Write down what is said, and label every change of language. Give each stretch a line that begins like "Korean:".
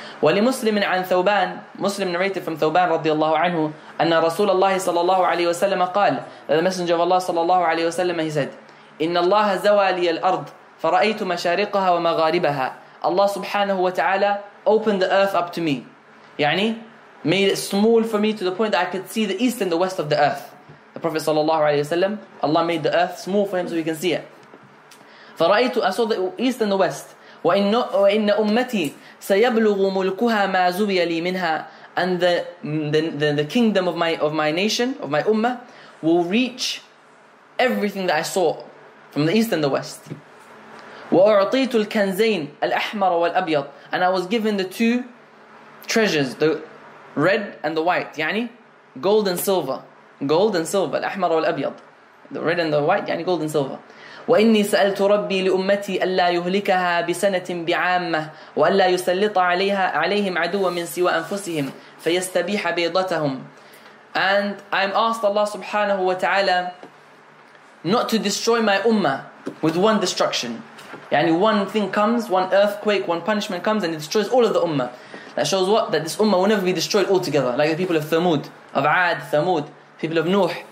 Arabic: ولمسلم عن ثوبان,
English: Muslim narrated from
Arabic: ثوبان رضي الله عنه أن رسول الله صلى الله عليه وسلم قال,
English: the messenger of Allah
Arabic: صلى الله عليه وسلم,
English: he said,
Arabic: إن الله زوى لي الأرض فرأيت مشارقها ومغاربها.
English: Allah subhanahu wa ta'ala opened the earth up to me. يعني, made it small for me to the point that I could see the east and the west of the earth. The Prophet صلى الله عليه وسلم, Allah made the earth small for him so he can see it. فرأيت, I saw the east and the west.
Arabic: وإن أمتي سيبلغ ملكها ما زوي لي منها,
English: and the kingdom of my nation, of my ummah, will reach everything that I saw from the east and the west.
Arabic: وأعطيت الكنزين الأحمر والأبيض,
English: and I was given the two treasures, the red and the white, يعني gold and silver, gold and silver,
Arabic: الأحمر والأبيض,
English: the red and the white, يعني gold and silver.
Arabic: وإني سألت ربي لأمتي ألا يهلكها بسنة بعامة وألا يسلط عليهم عدوا من سوى أنفسهم فيستبيح بيضتهم.
English: And I'm asked Allah subhanahu wa ta'ala not to destroy my ummah with one destruction. يعني one thing comes, one earthquake, one punishment comes and it destroys all of the ummah. That shows what? That this ummah will never be destroyed altogether. Like the people of Thamud, of Ad, Thamud, people of Nuh.